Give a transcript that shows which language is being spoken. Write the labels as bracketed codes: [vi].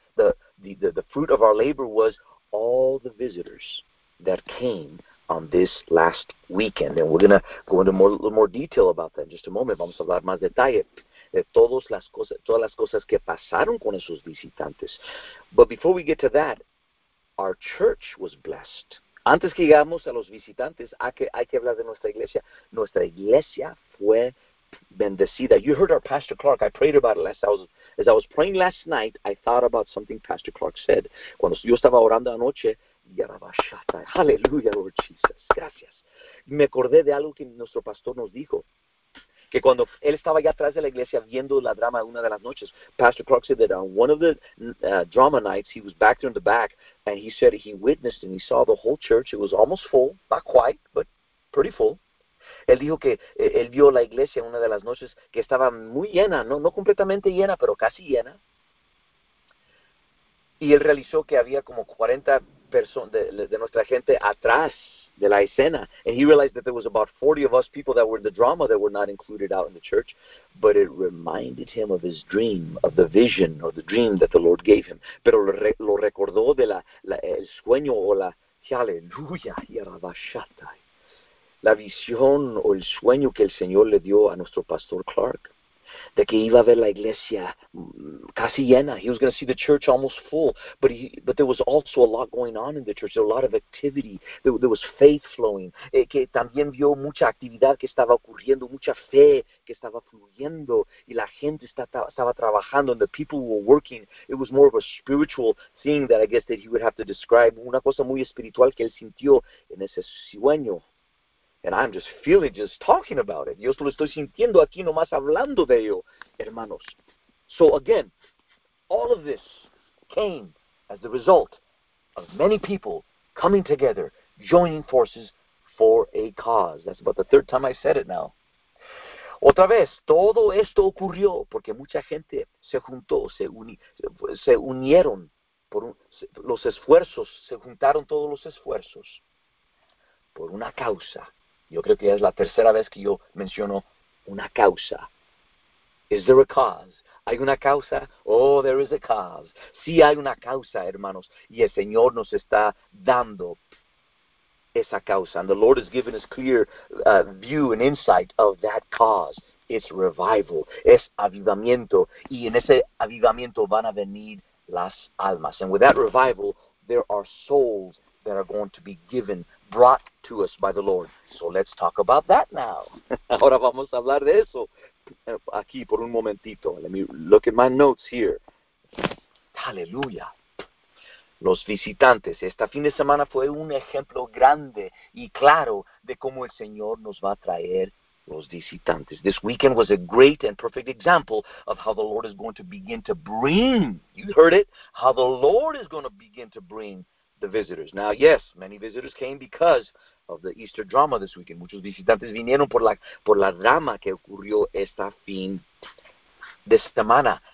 [en] The fruit of our labor was all the visitors that came on this last weekend. And we're going to go into a little more detail about that in just a moment. [es] Vamos a hablar más detalle de todas las cosas que pasaron con esos visitantes. [en] But before we get to that, our church was blessed. [es] Antes que llegamos a los visitantes, hay que hablar de nuestra iglesia. Nuestra iglesia fue bendecida. [en] You heard our Pastor Clark. I prayed about it as I was praying last night. I thought about something Pastor Clark said. [es] Cuando yo estaba orando anoche, [en] hallelujah, Lord Jesus, gracias. [es] Me acordé de algo que nuestro pastor nos dijo, que cuando él estaba allá atrás de la iglesia viendo la drama una de las noches, [en] Pastor Clark said that on one of the drama nights, he was back there in the back, and he said he witnessed and he saw the whole church. It was almost full, not quite, but pretty full. [es] Él dijo que él vio la iglesia una de las noches que estaba muy llena, no completamente llena, pero casi llena. Y él realizó que había como 40 personas de nuestra gente atrás de la escena. [en] And he realized that there was about 40 of us people that were in the drama that were not included out in the church. But it reminded him of his dream, of the vision, or the dream that the Lord gave him. [es] Pero lo recordó de el sueño o la... ¡Aleluya! ¡Yarabashatay! La visión o el sueño que el Señor le dio a nuestro pastor Clark, de que iba a ver la iglesia casi llena. [en] He was going to see the church almost full, but there was also a lot going on in the church. There was a lot of activity. There was faith flowing. [es] Que también vio mucha actividad que estaba ocurriendo, mucha fe que estaba fluyendo, y la gente estaba trabajando, [en] and the people were working. It was more of a spiritual thing that I guess that he would have to describe. [es] Una cosa muy espiritual que él sintió en ese sueño. [en] And I'm just feeling, just talking about it. [es] Yo solo estoy sintiendo aquí nomás hablando de ello, hermanos. [en] So again, all of this came as the result of many people coming together, joining forces for a cause. That's about the third time I said it now. [es] Otra vez, todo esto ocurrió porque mucha gente se juntó, se unieron, los esfuerzos, se juntaron todos los esfuerzos por una causa. Yo creo que ya es la tercera vez que yo menciono una causa. [en] Is there a cause? [es] ¿Hay una causa? [en] Oh, there is a cause. [es] Sí hay una causa, hermanos. Y el Señor nos está dando esa causa. [en] And the Lord has given us clear view and insight of that cause. It's revival. [es] Es avivamiento. Y en ese avivamiento van a venir las almas. [en] And with that revival, there are souls that are going to be given, brought to us by the Lord. So let's talk about that now. [es] Ahora vamos a hablar de eso aquí por un momentito. [en] Let me look at my notes here. [es] Aleluya. Los visitantes, este fin de semana fue un ejemplo grande y claro de cómo el Señor nos va a traer los visitantes. [en] This weekend was a great and perfect example of how the Lord is going to begin to bring, you heard it, how the Lord is going to begin to bring the visitors. Now, yes, many visitors came because of the Easter drama this weekend. [es] Muchos visitantes vinieron por la drama que ocurrió esta fin de semana.